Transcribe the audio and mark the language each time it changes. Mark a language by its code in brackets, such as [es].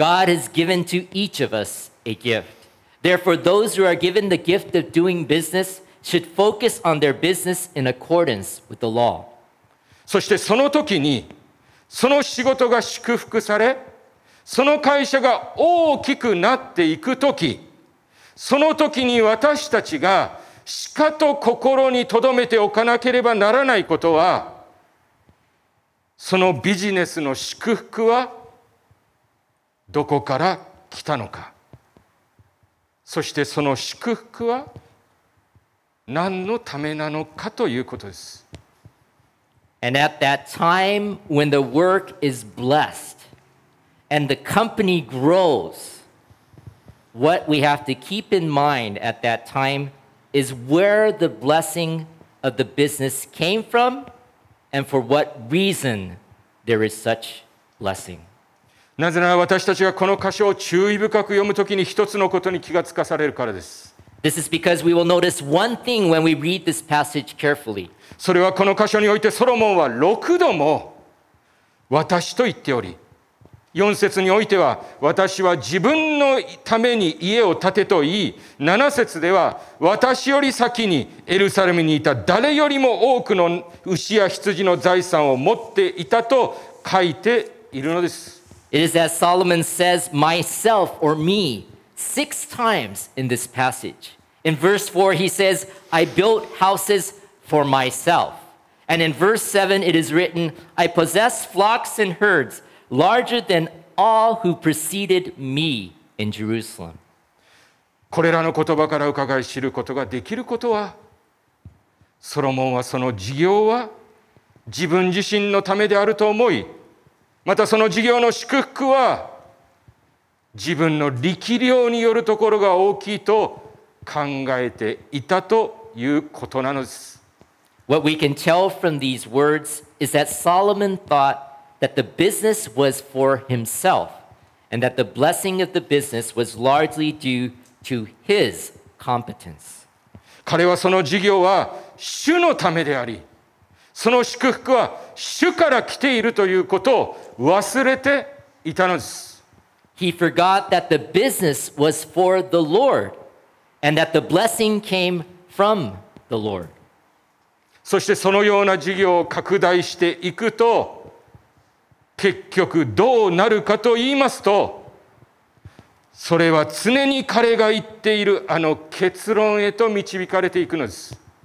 [en] God has given to each of us a gift. Therefore, those who are given the gift of doing business should focus on their business in accordance with the law. [ja] そしてその時に、その仕事が祝福され、その会社が大きくなっていく時、その時に私たちがしかと心に留めておかなければならないことは、そのビジネスの祝福はどこから来たのか、そしてその祝福は何のためなのかということです。 [en] And at that time when the work is blessed and the company grows, what we have to keep in mind at that time is where the blessing of the business came from and for what reason there is such blessing. [ja] なぜなら私たちがこの箇所を注意深く読むときに一つのことに気がつかされるからです。 [en] This is because we will notice one thing when we read this passage carefully. [ja] それはこの箇所においてソロモンは6度も私と言っており、 4節においては、私は自分のために家を建てと言い、7節では、私より先にエルサレムにいた誰よりも多くの牛や羊の財産を持っていたと書いているのです。 [en] It is as Solomon says, myself or me, 6 times in this passage. In verse 4, he says, I built houses for myself. And in verse 7, it is written, I possess flocks and herds larger than all who preceded me in Jerusalem. [ja] これらの言葉から伺い知ることができることは、ソロモンはその事業は自分自身のためであると思い、またその事業の祝福は自分の力量によるところが大きいと考えていたということなのです。 [en] What we can tell from these words is that Solomon thought that the business was for himself and that the blessing of the business was largely due to his competence. [ja] 彼はその事業は主のためであり、その祝福は主から来ているということを忘れていたのです。 [en] He forgot that the business was for the Lord and that the blessing came from the Lord. [ja] そしてそのような事業を拡大していくと、結局どうなるかと言いますと、それは常に彼が言っているあの結論へと導かれていくのです。